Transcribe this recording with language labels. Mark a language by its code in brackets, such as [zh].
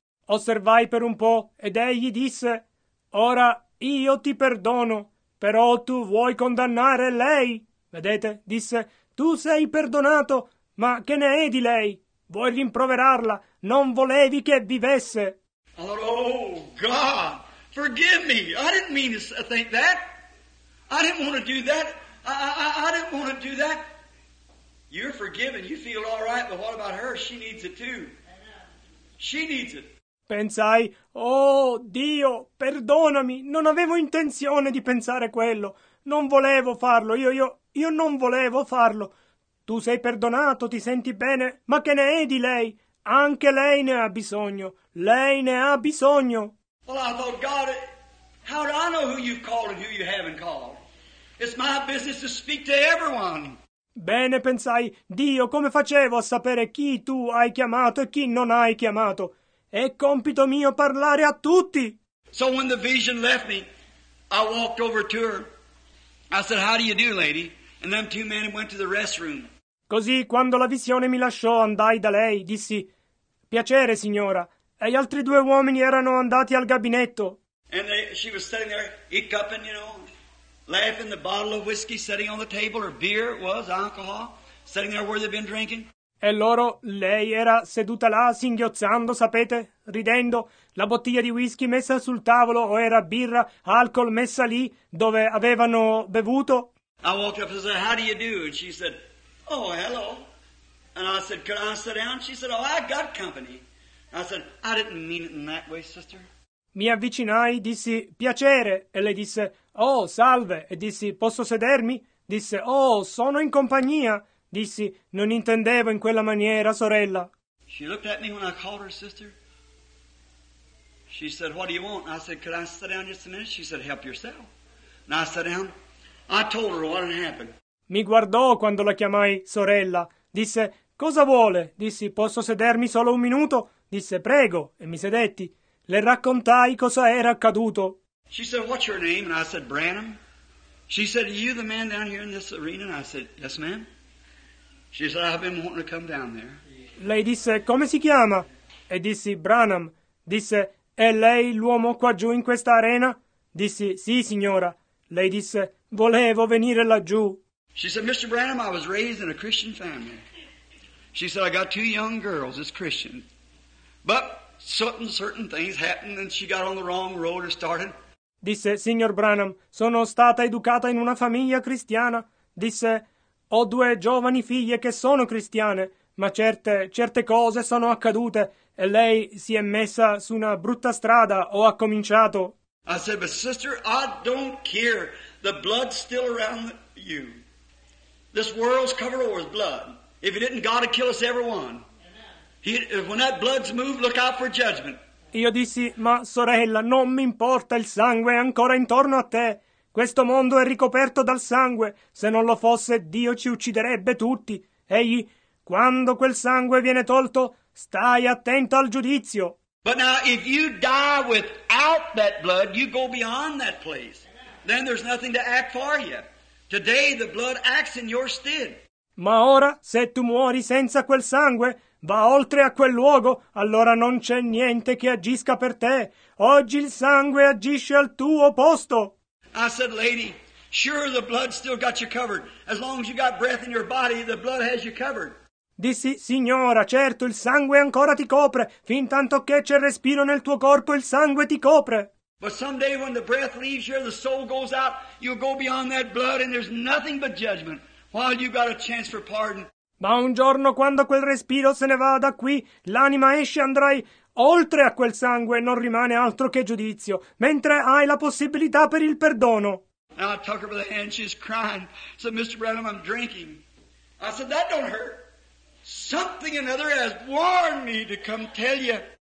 [it] Osservai per un po', ed egli disse, "Ora io ti perdono, però tu vuoi condannare lei." Vedete, disse, "Tu sei perdonato, ma che ne è di lei? Vuoi rimproverarla? Non volevi che vivesse." [en] "Oh, God, forgive me. I didn't mean to think that. I didn't want to do that. I didn't want to do that. You're forgiven. You feel all right, but what about her? She needs it too. She needs it." [it] Pensai, "Oh, Dio, perdonami. Non avevo intenzione di pensare quello. Non volevo farlo. Io non volevo farlo. Tu sei perdonato, ti senti bene, ma che ne è di lei? Anche lei ne ha bisogno. Lei ne ha bisogno." [en] "Well, I thought, God, how do I know who you've called and who you haven't called? It's my business to speak to everyone." [it] Bene, pensai, Dio, come facevo a sapere chi tu hai chiamato e chi non hai chiamato? È compito mio parlare a tutti. [en] So when the vision left me, I walked over to her. I said, "How do you do, lady?" And them two men went to the restroom. [it] Così, quando la visione mi lasciò, andai da lei, dissi, "Piacere, signora." E gli altri due uomini erano andati al gabinetto. [en] And she was sitting there, hiccuping, laughing, the bottle of whiskey sitting on the table, or beer it was, alcohol, sitting there where they'd been drinking. [it] E loro, lei era seduta là, singhiozzando, sapete, ridendo, la bottiglia di whisky messa sul tavolo, o era birra, alcol messa lì, dove avevano bevuto. [en] I walked up and said, "How do you do?" And she said, "Oh, hello." And I said, "Could I sit down?" She said, "Oh, I got company." And I said, "I didn't mean it in that way, sister." [it] Mi avvicinai, dissi, "Piacere." E lei disse, "Oh, salve." E dissi, "Posso sedermi?" Disse, "Oh, sono in compagnia." Dissi, "Non intendevo in quella maniera, sorella." [en] She looked at me when I called her sister. She said, "What do you want?" I said, "Could I sit down just a minute?" She said, "Help yourself." And I sat down. I told her what had happened. [it] Mi guardò quando la chiamai sorella. Disse, "Cosa vuole?" Dissi, "Posso sedermi solo un minuto?" Disse, "Prego." E mi sedetti. Le raccontai cosa era accaduto. [en] She said, "What's your name?" And I said, "Branham." She said, "Are you the man down here in this arena?" And I said, "Yes, ma'am." She said, "I've been wanting to come down there." [it] Lei disse, "Come si chiama?" E dissi, "Branham." Disse, "È lei l'uomo qua giù in questa arena?" Dissi, "Sì, signora." Lei disse, "Volevo venire laggiù." [en] She said, "Mr. Branham, I was raised in a Christian family." She said, "I got two young girls as Christian. But certain things happened and she got on the wrong road or started." [it] Disse, "Signor Branham, sono stata educata in una famiglia cristiana." Disse, "Ho due giovani figlie che sono cristiane, ma certe cose sono accadute e lei si è messa su una brutta strada o ha cominciato." [en] I said, "But sister, I don't care. The blood's still around you. This world's covered over with blood. If it didn't, God would kill us everyone. When that blood's moved, look out for judgment." [it] Io dissi, "Ma sorella, non mi importa, il sangue è ancora intorno a te. Questo mondo è ricoperto dal sangue. Se non lo fosse, Dio ci ucciderebbe tutti. Egli, quando quel sangue viene tolto, stai attento al giudizio." [en] "But now, if you die without that blood, you go beyond that place. Then there's nothing to act for you. Today, the blood acts in your stead." [it] Ma ora, se tu muori senza quel sangue, va oltre a quel luogo, allora non c'è niente che agisca per te. Oggi il sangue agisce al tuo posto. [en] I said, "Lady, sure the blood still got you covered. As long as you got breath in your body, the blood has you covered." [it] Dissi, "Signora, certo, il sangue ancora ti copre. Fin tanto che c'è respiro nel tuo corpo, il sangue ti copre." [en] "But someday when the breath leaves you, the soul goes out, you'll go beyond that blood and there's nothing but judgment. while you've got a chance for pardon. [it] Ma un giorno, quando quel respiro se ne va da qui, l'anima esce, andrai oltre a quel sangue, non rimane altro che giudizio, mentre hai la possibilità per il perdono. [en] And I took her by the hand, she's crying. I said, Mr. Branham, I'm drinking. I said, that don't hurt. Something another has warned me to come tell you.